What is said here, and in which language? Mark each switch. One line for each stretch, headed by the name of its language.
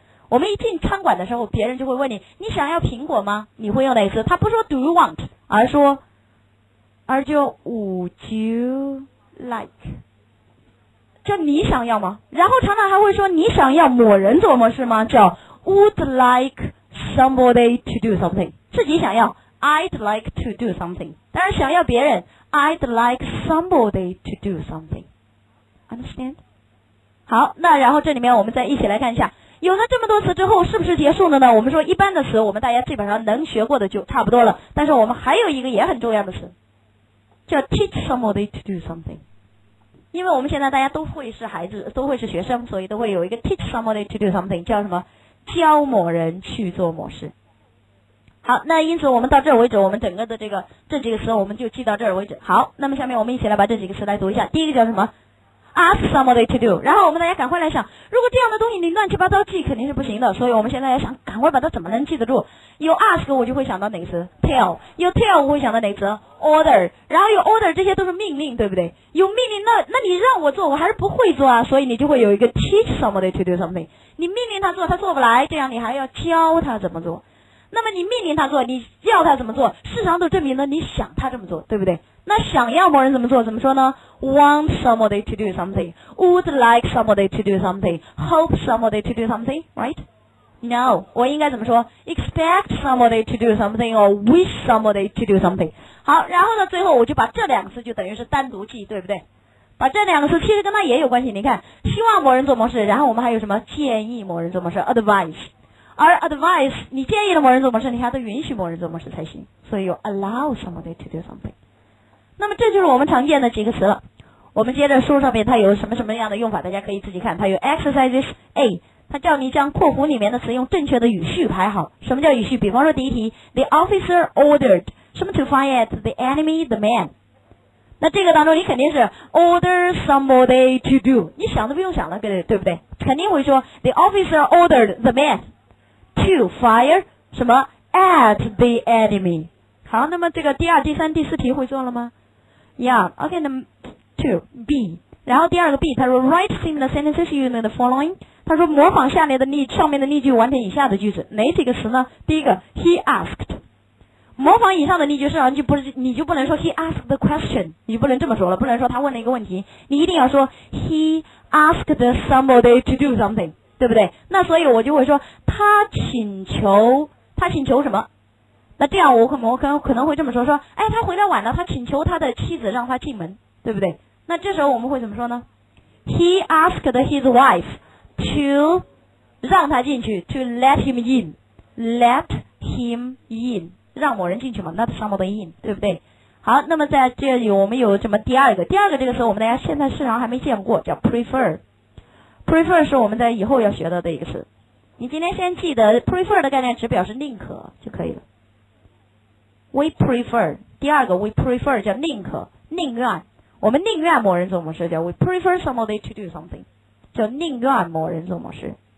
Chinese: 我们一进餐馆的时候，别人就会问你，你想要苹果吗？你会用哪一词？他不说
English: do you want，
Chinese: 而说，而就
English: would you like，
Chinese: 就你想要吗？然后常常还会说，你想要某人做某事吗？叫
English: would like somebody to do something，
Chinese: 自己想要
English: I'd like to do something，
Chinese: 但是想要别人
English: I'd like somebody to do something， understand？
Chinese: 好，那然后这里面我们再一起来看一下，有了这么多词之后是不是结束了呢？我们说一般的词我们大家基本上能学过的就差不多了，但是我们还有一个也很重要的词，叫
English: teach somebody to do something。
Chinese: 因为我们现在大家都会是孩子，都会是学生，所以都会有一个
English: teach somebody to do something，
Chinese: 叫什么？教某人去做某事。好，那因此我们到这儿为止，我们整个的这几个词我们就记到这儿为止。好，那么下面我们一起来把这几个词来读一下。第一个叫什么？
English: Ask somebody to do，
Chinese: 然后我们大家赶快来想，如果这样的东西你乱七八糟记肯定是不行的，所以我们现在要想赶快把它怎么能记得住。有 ask 我就会想到哪个词？
English: tell。
Chinese: 有 tell 我会想到哪个词？
English: order。
Chinese: 然后有 order， 这些都是命令，对不对？有命令，那你让我做我还是不会做啊，所以你就会有一个
English: teach somebody to do something。
Chinese: 你命令他做他做不来，这样你还要教他怎么做。那么你命令他做，你要他怎么做，事实上都证明了你想他这么做，对不对？那想要某人怎么做，怎么说呢？
English: want somebody to do something， would like somebody to do something， hope somebody to do something， right？ no，
Chinese: 我应该怎么说？
English: expect somebody to do something or wish somebody to do something。
Chinese: 好，然后呢最后我就把这两个词就等于是单独记，对不对？把这两个词其实跟他也有关系，你看希望某人做某事，然后我们还有什么建议某人做某事， advice。而 advice 你建议了某人做某事，你还得允许某人做某事才行，所以有
English: allow somebody to do something。
Chinese: 那么这就是我们常见的几个词了。我们接着书上面它有什么什么样的用法，大家可以自己看。它有 exercises A， 它叫你将括弧里面的词用正确的语序排好。什么叫语序？比方说第一题
English: the officer ordered
Chinese: 什么
English: to fire at the enemy the man，
Chinese: 那这个当中你肯定是
English: order somebody to do，
Chinese: 你想都不用想了，对不对？肯定会说
English: the officer ordered the manTo fire
Chinese: 什么
English: at the enemy。
Chinese: 好，那么这个第二第三第四题会做了吗？
English: yeah ok，
Chinese: 那么 to B， 然后第二个 B 他说
English: write similar sentences using the following，
Chinese: 他说模仿下面的例上面的例句完成以下的句子，哪几个词呢？第一个
English: he asked，
Chinese: 模仿以上的例句是，你就不能说
English: he asked the question，
Chinese: 你就不能这么说了，不能说他问了一个问题，你一定要说
English: he asked somebody to do something，
Chinese: 对不对？那所以我就会说他请求什么，那这样我可能会这么说，说哎，他回来晚了，他请求他的妻子让他进门，对不对？那这时候我们会怎么说呢？
English: He asked his wife to
Chinese: 让他进去
English: to let him in, let him in,
Chinese: 让某人进去嘛
English: not somebody in,
Chinese: 对不对？好，那么在这里我们有什么第二个，第二个这个词我们大家现在市场还没见过，叫 prefer。 prefer 是我们在以后要学到的一个词，你今天先记得 prefer 的概念只表示宁可就可以了。 we prefer, 第二个 we prefer 叫宁可，宁愿，我们宁愿某人做某事叫
English: we prefer somebody to do something,
Chinese: 叫宁愿某人做某事。